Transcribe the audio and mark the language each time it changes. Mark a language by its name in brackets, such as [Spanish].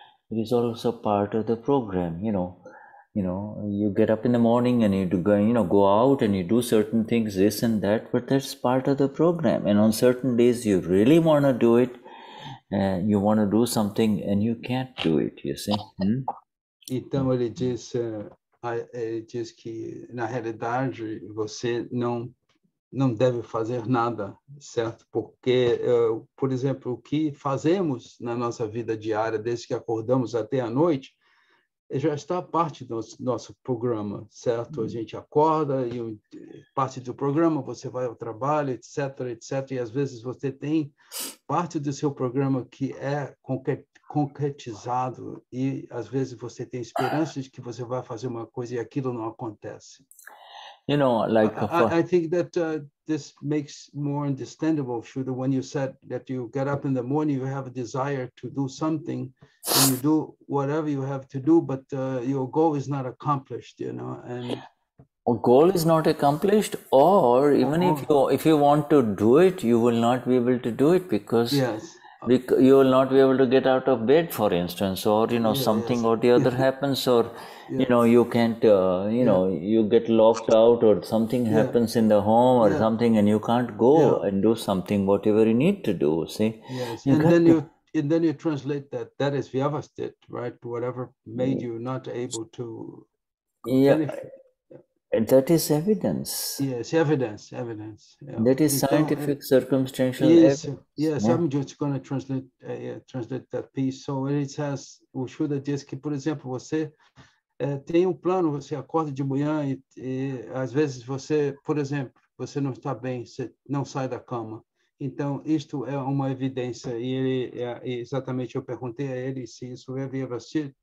[English] It is also part of the program. You know, you get up in the morning and you do go, you know, go out and you do certain things, this and that, but that's part of the program. And on certain days you really want to do it, you want to do something and you can't do it, you see. [Portuguese] Então ele diz, ele diz que, na realidade, você não deve fazer nada, certo? Porque, por exemplo, o que fazemos na nossa vida diária, desde que acordamos até a noite, já está parte do nosso programa, certo? Uhum. A gente acorda e parte do programa, você vai ao trabalho, etc, etc. E às vezes você tem parte do seu programa que é concretizado e às vezes você tem esperança de que você vai fazer uma coisa e aquilo não acontece. [English] You know, like I think that this makes more understandable, Shuddha, when you said that you get up in the morning, you have a desire to do something, and you do whatever you have to do, but your goal is not accomplished, you know. And a goal is not accomplished, or even if you want to do it, you will not be able to do it because yes. Because you will not be able to get out of bed, for instance, or, you know, yeah, something yes. or the other happens, or, yes. you know, you can't, you know, yeah. you get locked out or something yeah. happens in the home or yeah. something and you can't go yeah. and do something, whatever you need to do, see? Yes, you and then to... you translate that is Vyavasthit, right? Whatever made you not able to... Yeah. And that is evidence. Yes, evidence. Yeah. That is scientific, circumstantial yes, evidence. Yes, yeah. I'm just going to translate that piece. So it says, [Portuguese] o Shuddha diz que, por exemplo, você tem um plano, você acorda de manhã e às vezes você, por exemplo, você não está bem, você não sai da cama. Então, isto é uma evidência. E ele, exatamente, eu perguntei a ele se isso é Vyavasthit.